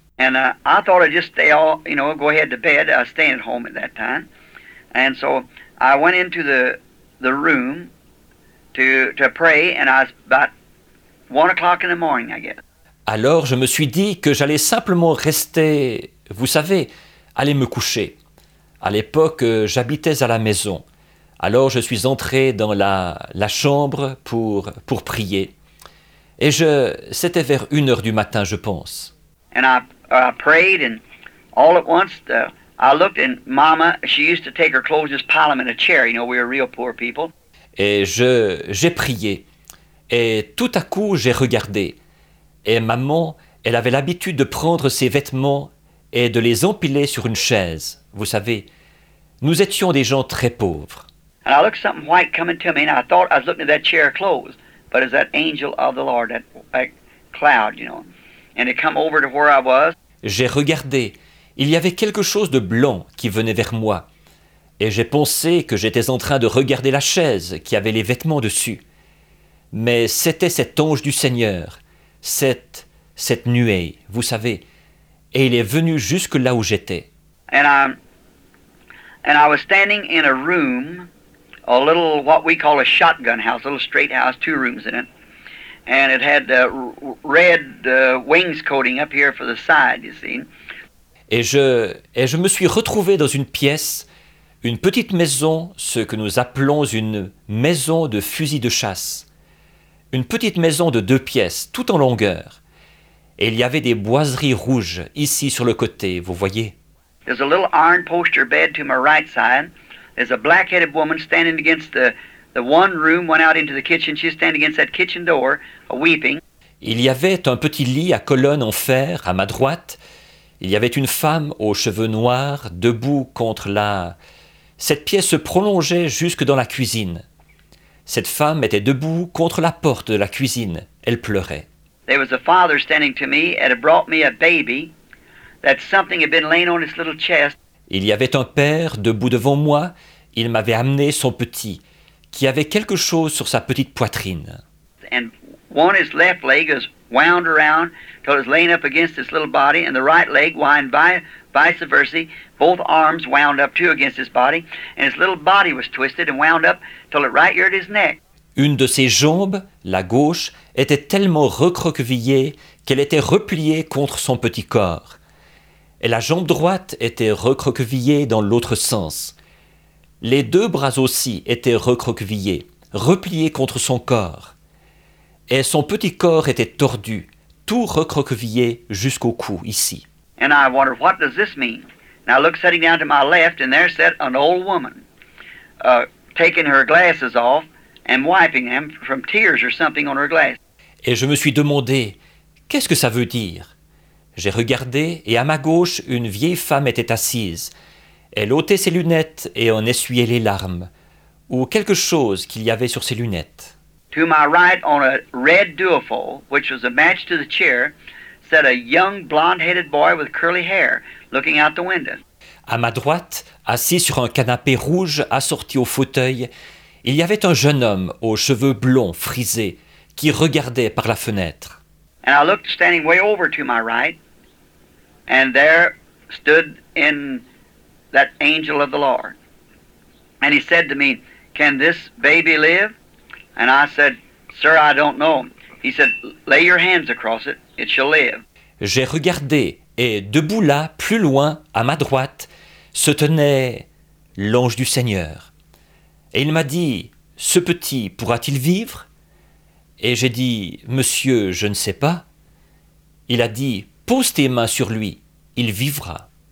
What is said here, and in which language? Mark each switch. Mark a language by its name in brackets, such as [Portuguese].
[English] And I thought I'd just stay all, you know, go ahead to bed. I was staying at home at that time. And so I went into the room to pray, and I was about 1 o'clock in the morning, I guess. [French] Alors, je me suis dit que j'allais simplement rester, vous savez, aller me coucher. À l'époque, j'habitais à la maison. Alors, je suis entré dans la chambre pour prier. Et c'était vers 1 heure du matin, je pense. [English] And I prayed, and all at once, I looked, and Mama, she used to take her clothes, just pile them in a chair. You know, we were real poor people. [French] Et j'ai prié. Et tout à coup, j'ai regardé. Et maman, elle avait l'habitude de prendre ses vêtements et de les empiler sur une chaise. Vous savez, nous étions des gens très pauvres. [English] And I looked something white coming to me, and I thought I was looking at that chair closed, but it's that angel of the Lord, that cloud, you know, and it come over to where I was. [French] J'ai regardé. Il y avait quelque chose de blanc qui venait vers moi. Et j'ai pensé que j'étais en train de regarder la chaise qui avait les vêtements dessus. Mais c'était cet ange du Seigneur, cette nuée, vous savez. Et il est venu jusque là où j'étais. [English] And I was standing in a room, a little, what we call a shotgun house, a little straight house, 2 rooms in it. And it had red wings coating up here for the side, you see. [French] Et je me suis retrouvé dans une pièce, une petite maison, ce que nous appelons une maison de fusil de chasse. Une petite maison de 2 pièces, tout en longueur. Et il y avait des boiseries rouges ici sur le côté, vous voyez. [English] There's a little iron poster bed to my right side. There's a black-headed woman standing against the one room, went out into the kitchen. She's standing against that kitchen door, weeping. [French] Il y avait un petit lit à colonne en fer à ma droite. Il y avait une femme aux cheveux noirs, debout contre la... Cette pièce se prolongeait jusque dans la cuisine. Cette femme était debout contre la porte de la cuisine. Elle pleurait. [English] There was a father standing to me and had brought me a baby that something had been laying on his little chest. [French] Il y avait un père debout devant moi. Il m'avait amené son petit, qui avait quelque chose sur sa petite poitrine. [English] And one his left leg was wound around till it was laying up against his little body, and the right leg wound vice versa, both arms wound up too against his body, and his little body was twisted and wound up till it right here at his neck. [French] Une de ses jambes, la gauche, était tellement recroquevillée qu'elle était repliée contre son petit corps. Et la jambe droite était recroquevillée dans l'autre sens. Les deux bras aussi étaient recroquevillés, repliés contre son corps. Et son petit corps était tordu, tout recroquevillé jusqu'au cou, ici. [English] And I wonder, what does this mean? And I look sitting down to my left, and there sat an old woman, taking her glasses off and wiping them from tears or something on her glass. [French] Et je me suis demandé, qu'est-ce que ça veut dire? J'ai regardé, et à ma gauche, une vieille femme était assise. Elle ôtait ses lunettes et en essuyait les larmes, ou quelque chose qu'il y avait sur ses lunettes. [English] To my right, on a red duofold, which was a match to the chair, sat a young blonde-headed boy with curly hair, looking out the window. [French] À ma droite, assis sur un canapé rouge assorti au fauteuil, il y avait un jeune homme aux cheveux blonds frisés qui regardait par la fenêtre. [English] And I looked standing way over to my right, and there stood in that angel of the Lord. And he said to me, can this baby live? And I said, sir, I don't know. He said, lay your hands across it, it shall live. [French] J'ai regardé, et debout là, plus loin, à ma droite, se tenait l'ange du Seigneur. Et il m'a dit, ce petit pourra-t-il vivre? Et j'ai dit, monsieur, je ne sais pas. Il a dit, pose tes mains sur lui, il vivra.